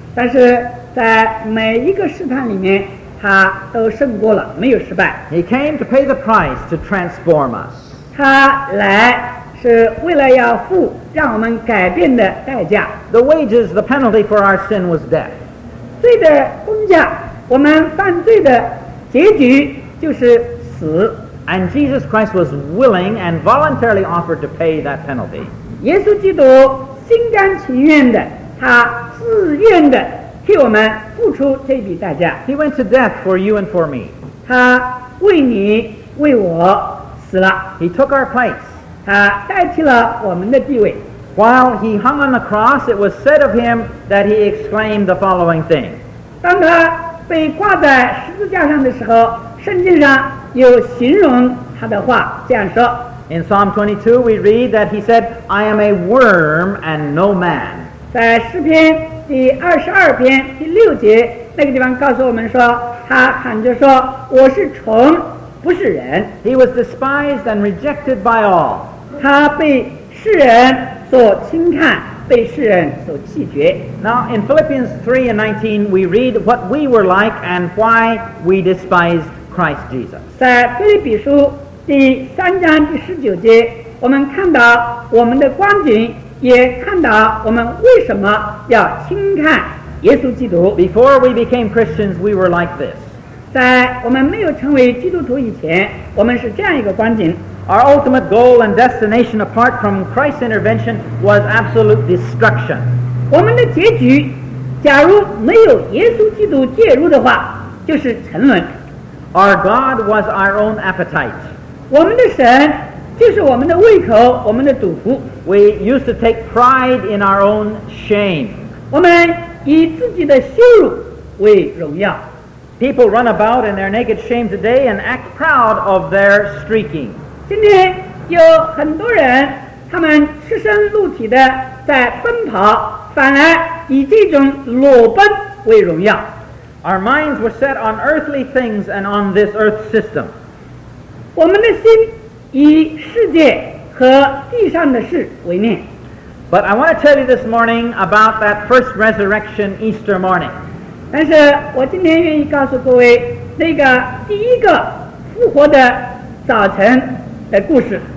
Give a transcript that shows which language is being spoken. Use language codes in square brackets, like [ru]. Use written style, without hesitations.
[zh] 但是在每一个试探里面他都胜过了，没有失败。 [en] He came to pay the price to transform us. [zh] 他来是为了要付让我们改变的代价。 [en] The wages, the penalty for our sin was death. [zh] 罪的工价，我们犯罪的结局就是死。 [en] And Jesus Christ was willing and voluntarily offered to pay that penalty. [zh] 耶稣基督心甘情愿的，他自愿的替我们付出这笔代价。 [en] He went to death for you and for me. [zh] 他为你为我死了。 [en] He took our place. [zh] 他代替了我们的地位。 [en] While he hung on the cross, it was said of him that he exclaimed the following thing. [zh] 当他被挂在十字架上的时候，圣经上有形容他的话这样说。 [en] In Psalm 22, we read that he said, "I am a worm and no man." [zh] 在诗篇第二十二篇第六节那个地方告诉我们说，他喊着说，我是虫，不是人。 [en] He was despised and rejected by all. [zh] 他被世人所轻看，被世人所弃绝。 [en] Now in Philippians 3:19, we read what we were like and why we despised Christ Jesus. [zh] 在腓立比书第三章第十九节，我们看到我们的光景，也看到我们为什么要轻看耶稣基督。 [en] Before we became Christians, we were like this. [zh] 在我们没有成为基督徒以前，我们是这样一个光景。 [en] Our ultimate goal and destination apart from Christ's intervention was absolute destruction. [zh] 我们的结局，假如没有耶稣基督介入的话，就是沉沦。 [en] Our God was our own appetite. [zh] 我们的神就是我们的胃口，我们的赌徒。 [en] We used to take pride in our own shame. [zh] 我们以自己的羞辱为荣耀。 [en] People run about in their naked shame today and act proud of their streaking. [zh] 今天有很多人，他们赤身露体的在奔跑，反而以这种裸奔为荣耀。 [en] Our minds were set on earthly things and on this earth system. [zh] 我们的心以世界和地上的事为念。 [en] But I want to tell you this morning about that first resurrection Easter morning. [zh] 但是我今天愿意告诉各位那个第一个复活的早晨的故事。